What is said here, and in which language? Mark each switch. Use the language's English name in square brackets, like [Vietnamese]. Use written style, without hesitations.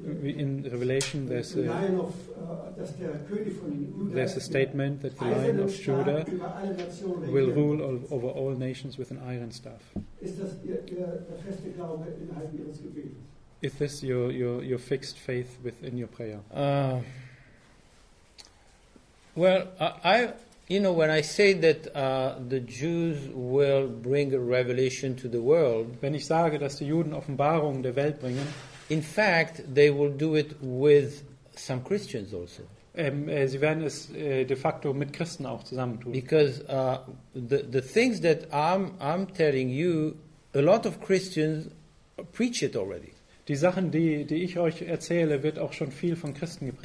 [English] in Revelation there's a statement that the Lion of Judah will rule over all nations with an iron staff. [German] Ist das ihr feste Glaube innerhalb ihres Gebetes? [English] Is this your fixed faith within your prayer? Well, I You know, when I say that the Jews will bring a revelation to the world, [German] wenn ich sage, dass die Juden Offenbarungen der Welt bringen, [English] in fact, they will do it with some Christians also. [German] Sie werden es de facto mit Christen auch zusammentun. [English] Because the things that I'm telling you, a lot of Christians preach it already. [German] Die Sachen, die ich euch erzähle, wird auch schon viel von Christen gepredigt.